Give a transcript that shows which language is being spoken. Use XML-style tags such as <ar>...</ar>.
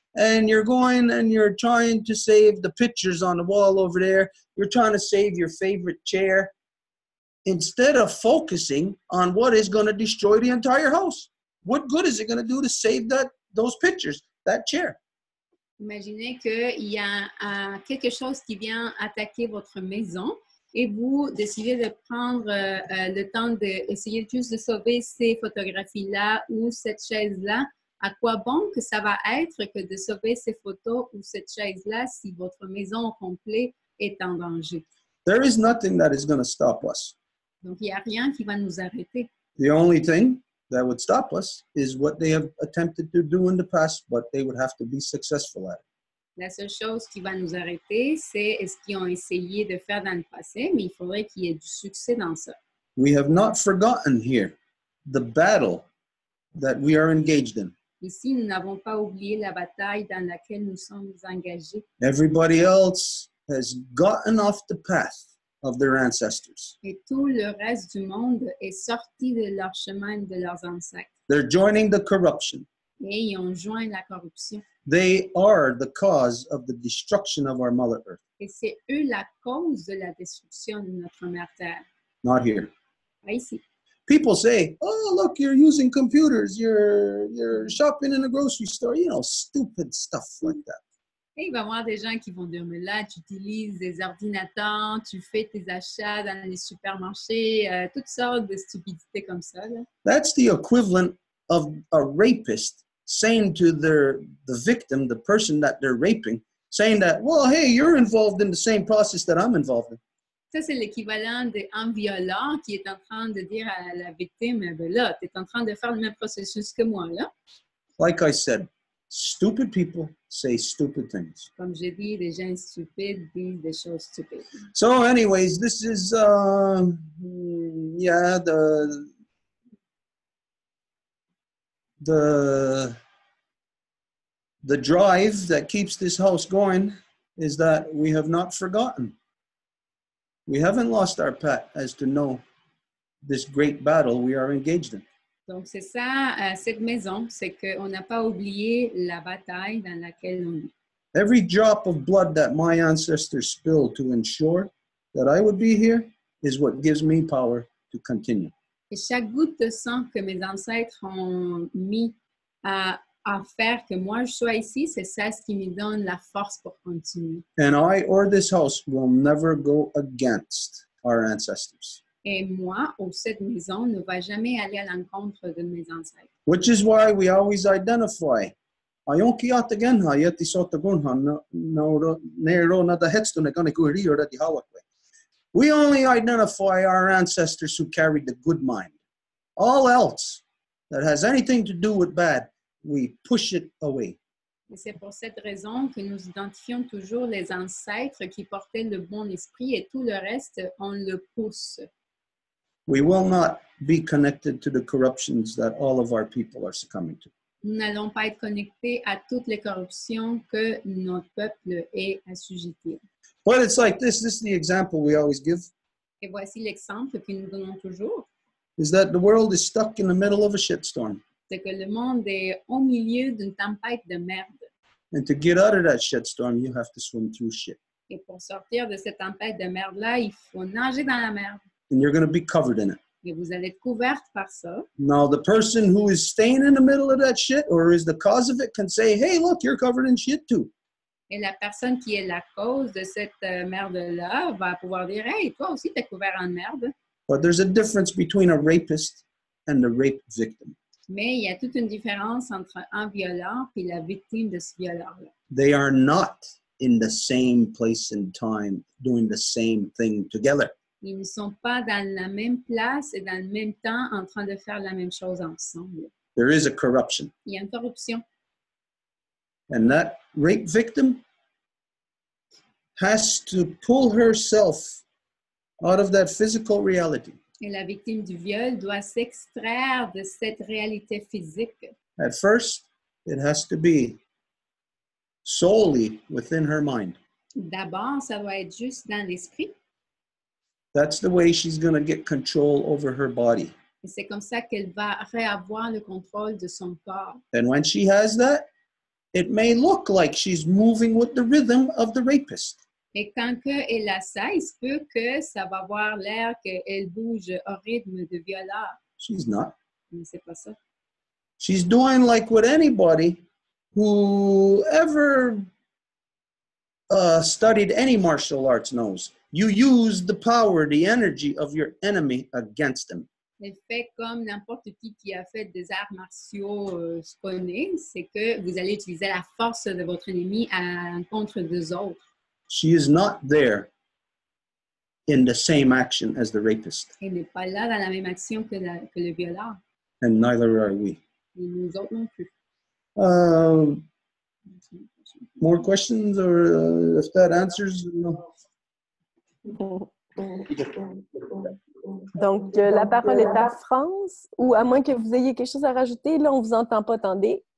<en>And you're going and you're trying to save the pictures on the wall over there. You're trying to save your favorite chair. Instead of focusing on what is going to destroy the entire house. What good is it going to do to save that those pictures, that chair?</en> <fr>Imaginez qu'il y a quelque chose qui vient attaquer votre maison et vous décidez de prendre le temps d'essayer juste de sauver ces photographies-là ou cette chaise-là. À quoi bon que ça va être que de sauver ces photos ou cette chaise-là si votre maison au complet est en danger?</fr> <en>There is nothing that is going to stop us.</en> <fr>Donc, il n'y a rien qui va nous arrêter.</fr> <en>The only thing that would stop us is what they have attempted to do in the past, but they would have to be successful at it.</en> <fr>La seule chose qui va nous arrêter, c'est ce qu'ils ont essayé de faire dans le passé, mais il faudrait qu'il y ait du succès dans ça.</fr> <en>We have not forgotten here the battle that we are engaged in.</en> <fr>Ici, nous n'avons pas oublié la bataille dans laquelle nous sommes engagés.</fr> <en>Everybody else has gotten off the path of their ancestors.</en> <fr>Et tout le reste du monde est sorti de leur chemin de leurs ancêtres.</fr> <en>They're joining the corruption.</en> <fr>Et ils ont joint la corruption.</fr> <en>They are the cause of the destruction of our Mother Earth.</en> <fr>Et c'est eux la cause de la destruction de notre mère Terre.</fr> <en>Not here.</en> <fr>Pas ici.</fr> <en>People say, oh, look, you're using computers, you're shopping in a grocery store, you know, stupid stuff like that.</en> <fr>Et il va y avoir des gens qui vont dire, mais là, tu utilises des ordinateurs, tu fais tes achats dans les supermarchés, toutes sortes de stupidités comme ça. Là.</fr> <en>That's the equivalent of a rapist saying to the victim, the person that they're raping, saying that, well, hey, you're involved in the same process that I'm involved in.</en> <fr>Ça, c'est l'équivalent d'un violeur qui est en train de dire à la victime, ben là, t'es en train de faire le même processus que moi, là.</fr> <en>Like I said, stupid people say stupid things.</en> <fr>Comme j'ai dit, les gens stupides disent des choses stupides.</fr> <en>So anyways, this is, yeah, the drive that keeps this house going is that we have not forgotten. We haven't lost our pet as to know this great battle we are engaged in.</en> <fr>Donc c'est ça, cette maison, c'est qu'on n'a pas oublié la bataille dans laquelle on est.</fr> <en>Every drop of blood that my ancestors spilled to ensure that I would be here is what gives me power to continue.</en> <fr>Et chaque goutte de sang que mes ancêtres ont mis à faire que moi je sois ici, c'est ça ce qui me donne la force pour continuer.</fr> <en>And I or this house will never go against our ancestors.</en> <fr>Et moi, ou cette maison, ne va jamais aller à l'encontre de mes ancêtres.</fr> <en>Which is why we always identify.</en> <moh>Ayon ki atagenha, yeti sotagunha, nero na dahetstune, gane kuhiri, or ati hawakwe.</moh> <en>We only identify our ancestors who carried the good mind. All else that has anything to do with bad, we push it away.</en> <fr>Et c'est pour cette raison que nous identifions toujours les ancêtres qui portaient le bon esprit et tout le reste, on le pousse.</fr> <en>We will not be connected to the corruptions that all of our people are succumbing to.</en> <fr>Nous n'allons pas être connectés à toutes les corruptions que notre peuple est assujetti.</fr> <en>Well, it's like this. This is the example we always give.</en> <fr>Et voici l'exemple que nous donnons toujours.</fr> <en>Is that the world is stuck in the middle of a shitstorm.</en> <fr>C'est que le monde est au milieu d'une tempête de merde.</fr> <en>And to get out of that shitstorm, you have to swim through shit.</en> <fr>Et pour sortir de cette tempête de merde-là, il faut nager dans la merde.</fr> <en>And you're going to be covered in it.</en> <fr>Et vous allez être couverte par ça.</fr> <en>Now, the person who is staying in the middle of that shit or is the cause of it can say, hey, look, you're covered in shit too.</en> <fr>Et la personne qui est la cause de cette merde-là va pouvoir dire, hey, toi aussi, t'es couvert en merde.</fr> <en>But there's a difference between a rapist and the rape victim.</en> <fr>Mais il y a toute une différence entre un violeur et la victime de ce violeur-là.</fr> <en>They are not in the same place and time, doing the same thing together.</en> <fr>Ils ne sont pas dans la même place et dans le même temps en train de faire la même chose ensemble.</fr> <en>There is a corruption.</en> <fr>Il y a une corruption.</fr> <en>And that rape victim has to pull herself out of that physical reality.</en> <fr>Et la victime du viol doit s'extraire de cette réalité physique.</fr> <en>At first, it has to be solely within her mind.</en> <fr>D'abord, ça doit être juste dans l'esprit.</fr> <en>That's the way she's going to get control over her body.</en> <fr>Et c'est comme ça qu'elle va réavoir le contrôle de son corps.</fr> <en>And when she has that, it may look like she's moving with the rhythm of the rapist.</en> <fr>Et quand qu'elle a ça, il se peut que ça va avoir l'air qu'elle bouge au rythme de violeur.</fr> <en>She's not.</en> <fr>Mais c'est pas ça.</fr> <en>She's doing like what anybody who ever studied any martial arts knows. You use the power, the energy of your enemy against them.</en> <fr>Elle fait comme n'importe qui a fait des arts martiaux connaît, c'est que vous allez utiliser la force de votre ennemi à contre deux autres.</fr> <en>She is not there in the same action as the rapist.</en> <fr>Elle n'est pas là dans la même action que la, que le violeur.</fr> <en>And neither are we.</en> <fr>Et nous autres non plus.</fr> <en>More questions, or if that answers? No.</en> <fr>Donc, la parole est à France, ou à moins que vous ayez quelque chose à rajouter, là, on ne vous entend pas, attendez.</fr>